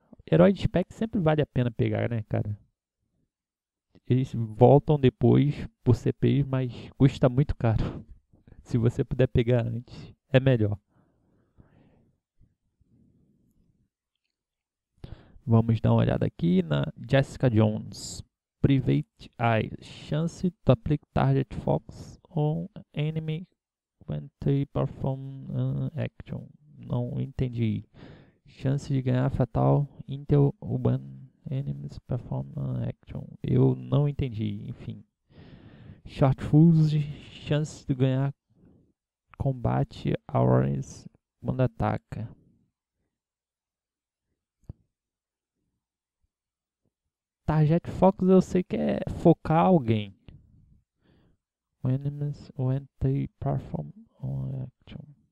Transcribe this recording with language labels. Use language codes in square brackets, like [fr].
[pt] Herói de spec sempre vale a pena pegar, né, cara? Eles voltam depois por CPs, mas custa muito caro. Se você puder pegar antes, é melhor. Vamos dar uma olhada aqui na Jessica Jones. [en] Private Eye. Chance to apply target focus on enemy when they perform an action. [pt] Não entendi. Chance de ganhar fatal Intel Urban Enemies Perform an Action. Eu não entendi, enfim. Short Fuse, chance de ganhar combate hours quando ataca. Target Focus eu sei que é focar alguém. [en] Enemies when they perform an action.